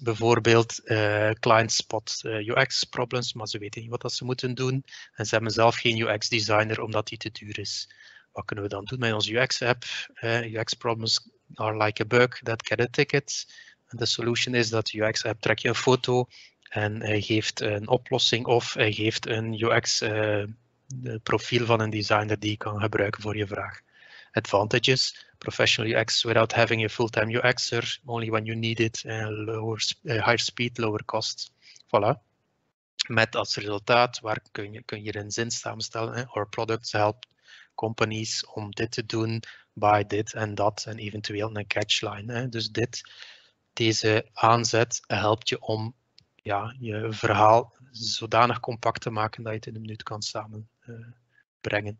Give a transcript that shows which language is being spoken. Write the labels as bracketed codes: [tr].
[nl] Bijvoorbeeld, [en] clients spot UX-problems, [nl] maar ze weten niet wat dat ze moeten doen. En ze hebben zelf geen UX-designer omdat die te duur is. Wat kunnen we dan doen met onze UX-app? [en] UX-problems are like a bug that get a ticket. And the solution is [nl] dat UX-app trek je een foto en geeft een oplossing of geeft een UX-profiel van een designer die je kan gebruiken voor je vraag. [en] Advantages, professional UX without having a full-time UXer, only when you need it, lower, higher speed, lower cost. [nl] Voilà. Met als resultaat, waar kun je een zin samenstellen? [en] Our products help companies [nl] om dit te doen, buy dit en dat en eventueel een catchline. Dus dit, deze aanzet helpt je om ja, je verhaal zodanig compact te maken dat je het in een minuut kan samenbrengen.